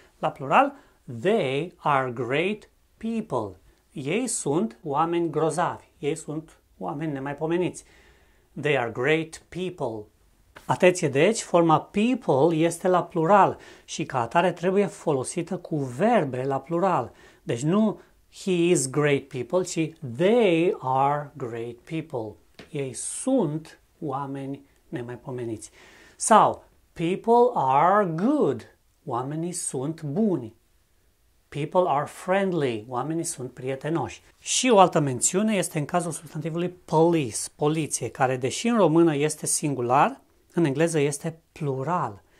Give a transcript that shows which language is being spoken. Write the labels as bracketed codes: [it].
[ro] La plural, [en] they are great people. [ro] Ei sunt oameni grozavi, ei sunt oameni nemaipomeniți. [en] They are great people. [ro] Atenție, deci, forma people este la plural și ca atare trebuie folosită cu verbe la plural. Deci nu [en] he is great people, ci they are great people. [ro] Ei sunt oameni nemaipomeniți. Sau, [en] people are good. [ro] Oamenii sunt buni. [en] People are friendly. [ro] Oamenii sunt prietenoși. Și o altă mențiune este în cazul substantivului police, poliție, care deși în română este singular, în engleză este plural.